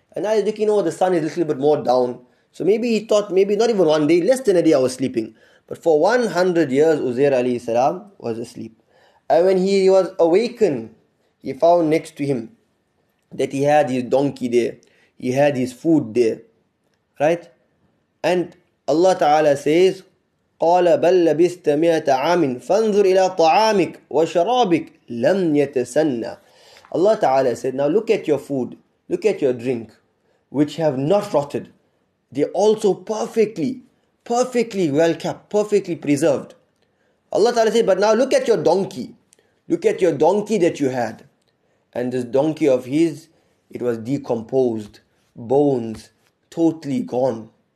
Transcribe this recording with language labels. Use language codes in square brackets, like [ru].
[en] And now he's looking, oh, the sun is a little bit more down. So maybe he thought, maybe not even one day, less than a day I was sleeping. But for 100 years, Uzair alayhi salam was asleep. And when he was awakened, he found next to him that he had his donkey there. He had his food there. Right? And Allah Ta'ala says, [ar] قَالَ بَلْ لَبِسْتَ مِئَةَ عَامٍ فَانْظُرْ إِلَىٰ طَعَامِكَ وَشَرَابِكَ لَمْ يَتَسَنَّ. [en] Allah Ta'ala said, now look at your food, look at your drink, which have not rotted. They also perfectly, perfectly well kept, perfectly preserved. Allah Ta'ala said, but now look at your donkey. Look at your donkey that you had. And this donkey of his, it was decomposed, bones totally gone.